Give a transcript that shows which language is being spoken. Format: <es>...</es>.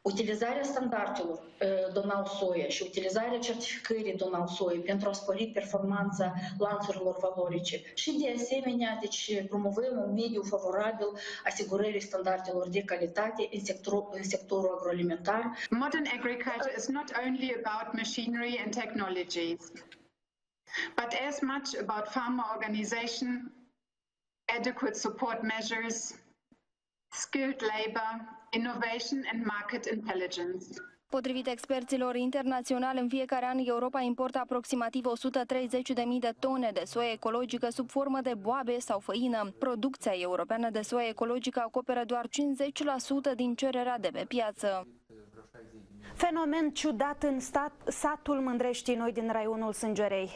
<ro>Utilizarea standardelor Donau Soia și utilizarea certificării Donau Soia pentru a spori performanța lanțurilor valorice. Și de asemenea, deci, promovăm un mediu favorabil asigurării standardelor de calitate în sectorul agroalimentar.</ro> <en>Modern agriculture is not only about machinery and technologies, but as much about farmer organization, adequate support measures, skilled labor, innovation and market intelligence.</en> <ro>Potrivit experților internaționali, în fiecare an Europa importă aproximativ 130.000 de tone de soia ecologică sub formă de boabe sau făină. Producția europeană de soia ecologică acoperă doar 50% din cererea de pe piață. Fenomen ciudat în satul Mândreștii Noi din raionul Sângerei.</ro>